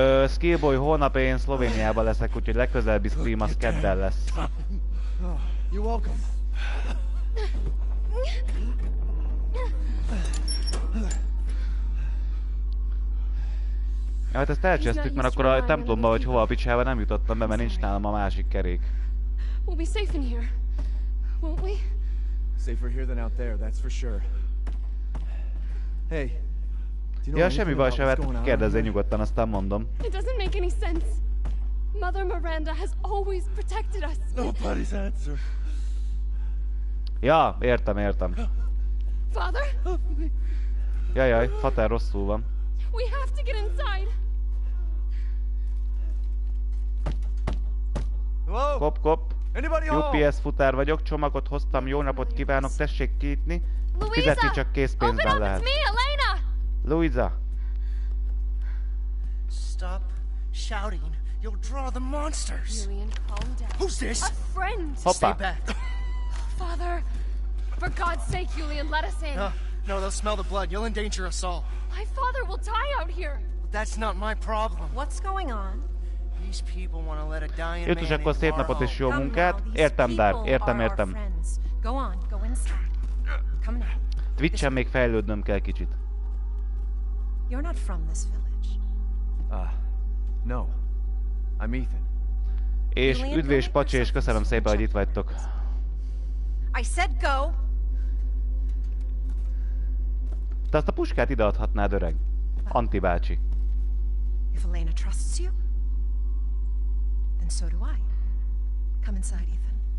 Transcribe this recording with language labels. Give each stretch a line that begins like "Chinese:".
Hungarian: Skillboy, holnap én Szlovéniában leszek, úgyhogy legközelebbi stream az kedden lesz.
English: You're welcome.
Hungarian: Ja, hát ezt elcsesztük, mert akkor a templomba vagy hova a picsába nem jutottam be, mert nincs nálam a másik kerék.
English: We'll be safe in here, won't we? Safer here than out there, that's for sure. Hey.
Hungarian: Ja, semmi baj se, hát kérdezzél nyugodtan, aztán mondom.
English: It doesn't make any sense. Mother Miranda has always protected us. Nobody's answer.
Hungarian: Ja, értem.
English: Father?
Hungarian: Jajaj, Fater rosszul van.
English: We have to get inside. Hello? Kop. Anybody home?
Hungarian: UPS futár vagyok, csomagot hoztam, jó napot kívánok, tessék kinyitni.
English: Louisa!
Hungarian: Fizetni csak készpénzben lehet.
English: Open up, it's me, Elena! Louisa! Stop shouting, you'll draw the monsters! Julian, calm down. Who's this? A friend!
Hungarian: Hoppa.
English: Stay back. Father, for God's sake, Julian, let us in. No, they'll smell the blood. You'll endanger us all. My father will die out here. That's not my problem. What's going on? These people want to let a dying man in.
Hungarian: Jutus, akkor szép napot és jó munkát. Értem, Dar. Értem.
English: Go on, go inside. Come now.
Hungarian: Twitch-en még fejlődnöm kell kicsit.
English: You're not from this village. No. I'm Ethan.
Hungarian: És üdvés, Pacsi, és köszönöm szépen, hogy itt vagytok.
English: I said go.
Hungarian: Te azt a puskát ideadhatnád, öreg. Anti bácsi.
English: If Elena trusts you, then so do I. Come inside, Ethan.